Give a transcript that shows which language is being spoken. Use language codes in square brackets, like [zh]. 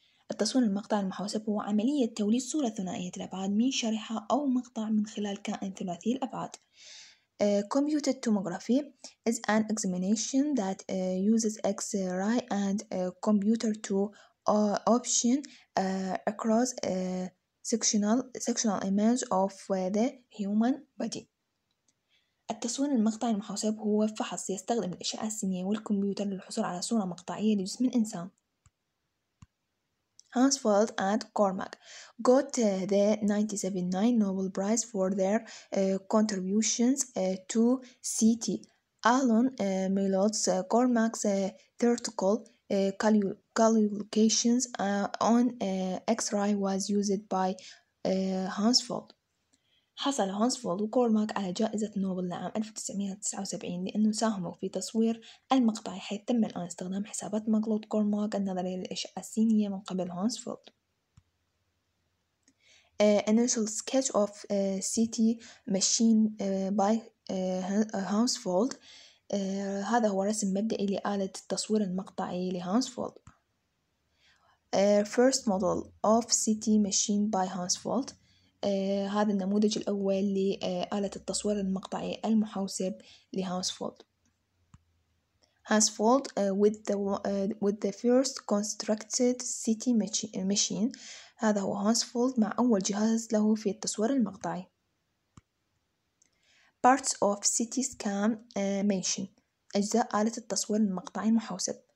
[ar] التصوير المقطع المحوسب هو عملية توليد صورة ثنائية الأبعاد من شريحة أو مقطع من خلال كائن ثلاثي الأبعاد. [en] Computed tomography is an examination that uses X-ray and computer to option across sectional image of the human body. [ar] التصوير المقطعي المحوسب هو فحص يستخدم الأشعة السينية والكمبيوتر للحصول على صورة مقطعية لجسم الإنسان. [en] Hans Feld and Cormac got the 1979 Nobel Prize for their contributions to CT. Alan Milot's Cormac's theoretical calculations on X-ray was used by Hans Feld. [ar] حصل هانس فولد وكورماك على جائزة نوبل لعام 1979 لأنه ساهموا في تصوير المقطع، حيث تم الآن استخدام حسابات مغلوط كورماك النظرية للإشعة السينية من قبل هانس فولد. [en] Initial sketch of CT machine by Hans Feld. [ar] هذا هو رسم مبدئي لآلة التصوير المقطعي لهانس فولد. [en] First model of CT machine by Hans Feld. [ar] هذا النموذج الأول لآلة التصوير المقطعي المحوسب لهانس فولد. [en] Hounsfield with the first constructed CT machine. [ar] هذا هو هانس فولد مع أول جهاز له في التصوير المقطعي. [en] Parts of CT scan machine. [ar] أجزاء آلة التصوير المقطعي المحوسب.